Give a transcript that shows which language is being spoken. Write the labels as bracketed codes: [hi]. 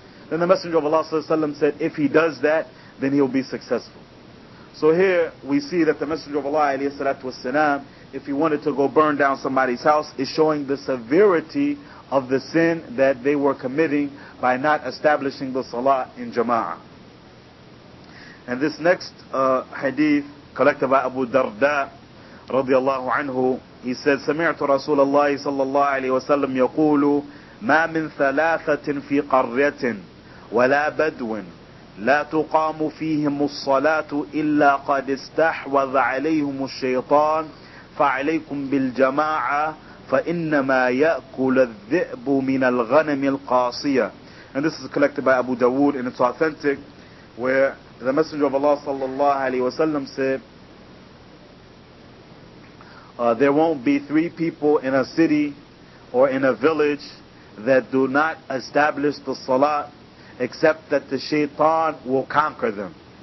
[en] Then the Messenger of Allah sallallahu alayhi wa sallam said, if he does that, then he'll be successful. So here we see that the Messenger of Allah alayhi salatu wa sallam, if he wanted to go burn down somebody's house, is showing the severity of the sin that they were committing by not establishing the salah in jama'ah. And this next hadith, collected by Abu Darda, رضي الله عنه, he said, [ar] سمعت رسول الله صلى الله عليه وسلم يقول ما من ثلاثة في قرية ولا بدو لا تقام فيهم الصلاة إلا قد استحوذ عليهم الشيطان فعليكم بالجماعة فإنما يأكل الذئب من الغنم القاصية. [en] And this is collected by Abu Dawood and it's authentic, where the Messenger of Allah sallallahu alayhi wa sallam said, there won't be three people in a city or in a village that do not establish the salah except that the shaitan will conquer them.